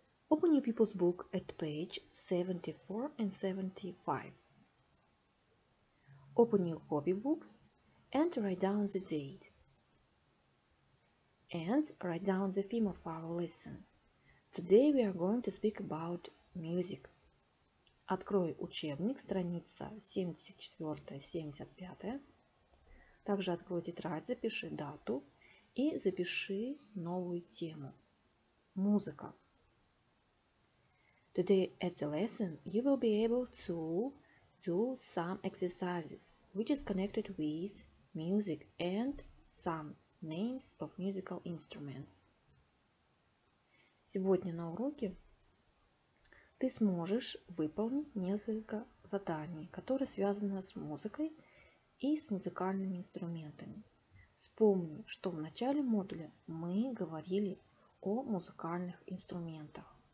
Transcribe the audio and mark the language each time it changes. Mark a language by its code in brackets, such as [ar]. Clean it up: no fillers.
[en] Open your pupils book at page 74 and 75. Open your hobby books and write down the date. And write down the theme of our lesson. Today we are going to speak about music. [ru] Открой учебник, страница 74-75. Также открой тетрадь, запиши дату и запиши новую тему. Музыка. [en] Today at the lesson you will be able to do some exercises, which is connected with music and some names of musical instruments. [ru] Сегодня на уроке ты сможешь выполнить несколько заданий, которые связаны с музыкой и с музыкальными инструментами. Вспомни, что в начале модуля мы говорили о музыкальных инструментах.